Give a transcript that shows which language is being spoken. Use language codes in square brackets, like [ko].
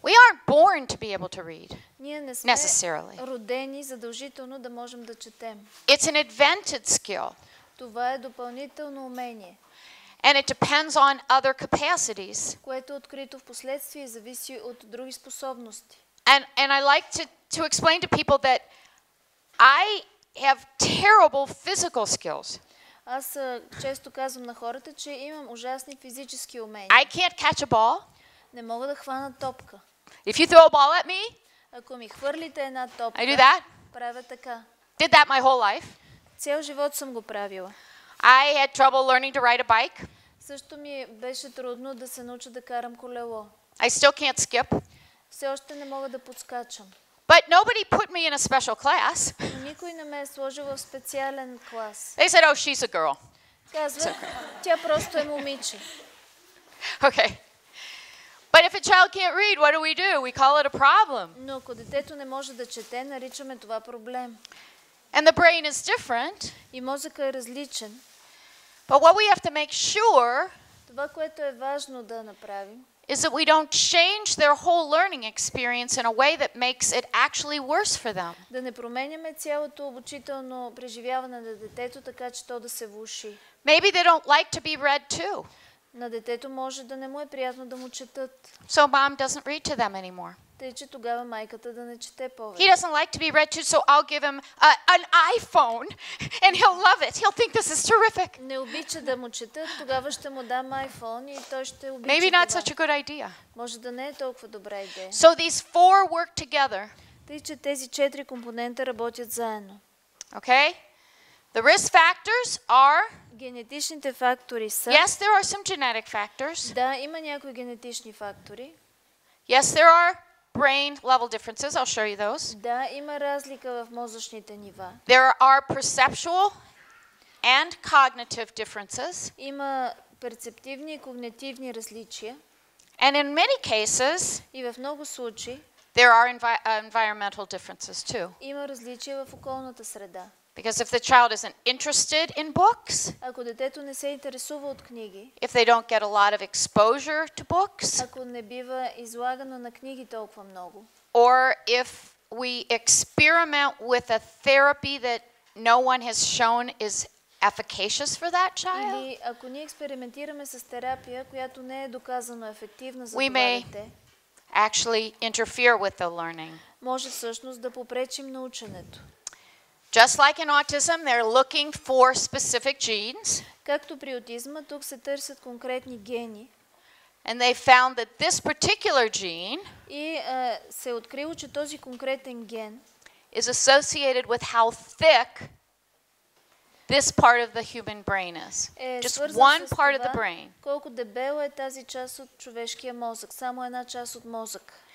[en] We aren't born to be able to read. [bg] Ние не сме родени задължително да можем да четем. [en] It's an invented skill. [bg] Това е допълнително умение. [en] And it depends on other capacities. [bg] Което е открито впоследствие и зависи от други способности. [en] And I like to explain to people that I have terrible physical skills. [bg] Аз често казвам на хората, че имам ужасни физически умения. [en] I can't catch a ball. [bg] Не мога да хвана топка. [en] If you throw a ball at me, [bg] ако ми хвърлите една топка, [en] I do that. [bg] Правя така. [en] Did that my whole life. [bg] Цял живот съм го правила. [en] I had trouble learning to ride a bike. [bg] Също ми беше трудно да се науча да карам колело. [en] I still can't skip. [bg] Все още не мога да подскачам. [en] But nobody put me in a special class. [bg] Никой не ме е сложил в специален клас. [en] They said, oh, she's a girl. [bg] Казва, тя просто е момиче. [en] Okay. But if a child can't read, what do? We call it a problem. [bg] Но ако детето не може да чете, наричаме това проблем. [en] And the brain is different. [bg] И мозъка е различен. [en] But what we have to make sure, [bg] това, което е важно да направим, [en] is that we don't change their whole learning experience in a way that makes it actually worse for them. [bg] Да не променяме цялото обучително преживяване на детето така, че то да се влуши. [en] Maybe they don't like to be read to. [bg] На детето може да не му е приятно да му четат. [en] So mom doesn't read to them anymore. [bg] Тъй, че тогава майката да не чете повече. [en] He doesn't like to be read to, so I'll give him an iPhone and he'll love it. He'll think this is terrific. [bg] Не обича да му чета, тогава ще му дам iPhone и той ще обича. [en] Maybe not [bg] това. [en] Such a good idea. [bg] Може да не е толкова добра идея. [en] So these four work together. [bg] Тъй, че тези четири компонента работят заедно. [en] Okay? The risk factors are [bg] генетичните фактори са. [en] Yes, there are some genetic factors. [bg] Да, има някои генетични фактори. [en] Yes, there are brain level differences. I'll show you those. [bg] Да, има разлика в мозъчните нива. [en] There are perceptual and cognitive differences. [bg] Има перцептивни и когнитивни различия. [en] And in many cases, [bg] и в много случаи, [en] there are environmental differences too. [bg] Има различия в околната среда. [en] Because if the child isn't interested in books, [bg] ако детето не се интересува от книги, [en] if they don't get a lot of exposure to books, [bg] ако не бива излагано на книги толкова много, [en] or if we experiment with a therapy that no one has shown is efficacious for that child, [bg] или ако ние експериментираме с терапия, която не е доказано ефективна за това дете, [en] we may actually interfere with the learning. [bg] Може всъщност да попречим на ученето. [en] Just like in autism, they're looking for specific genes. [bg] Както при аутизма, тук се търсят конкретни гени. [en] And they found that this particular gene [bg] се открило, че този конкретен ген [en] is associated with how thick this part of the human brain is. Just one part of the brain. [bg] Колко дебела е тази част от човешкия мозък, само една част от мозък.